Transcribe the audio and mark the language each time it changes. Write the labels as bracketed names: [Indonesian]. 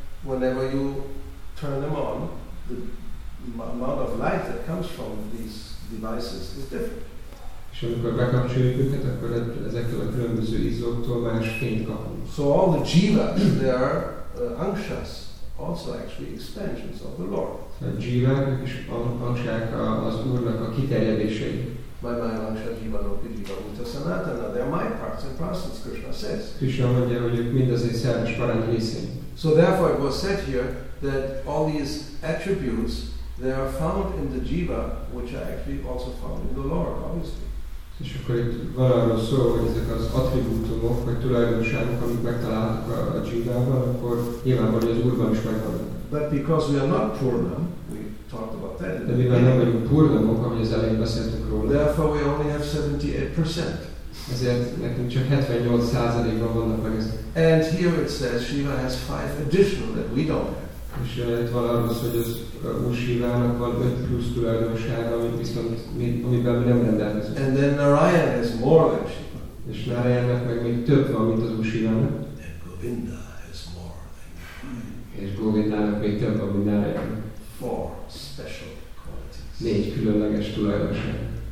[English] whenever you turn them on, the amount of light that comes from these devices is different. [Hungarian] És amikor bekapcsoljuk őket, akkor ezekkel a különböző izzóktól más fényt kapunk. [English] So all the jivas, they are anksas, also actually expansions of the Lord. [Hungarian] A jivák és anksák az Úrnak a kiterjedései. My mind anksas jiva no pidiva uta sanatana, [English] they are my parts and parcels, Krishna says. [Hungarian] Krishna mondja, hogy ők mind az én szerves parányi részeim. [English] So therefore it was said here that all these attributes, they are found in the jiva, which are actually also found in the Lord, obviously. [Hungarian] És akkor itt van arról szó, hogy ezek az attribútumok, vagy tulajdonságok, amik megtalálhatók a jivában, akkor nyilvánvaló, hogy az Úrban is megvannak. [English] But because we are not purnam, we talked about that. [Hungarian] De mivel nem vagyunk purnamok, ami az elején beszéltünk róla. [English] Therefore we only have 78%. [Hungarian] Ezért nekünk csak 78%-ban vannak meg ezek. [English] And here it says Shiva has 5 additional that we don't have. [Hungarian] És itt van arról szó, hogy az Úr Shivának van 5 plusz tulajdonsága, amit viszont amiben mi nem rendelkezünk. [English] And then Narayana has more than Shiva. [Hungarian] És Narayana-nak meg még több van, mint az Úr Shivának. [English] And Govinda has more than Shiva. [Hungarian] És Govindának még több van, mint Narayana. [English] 4 special qualities. [Hungarian] 4 különleges tulajdonság.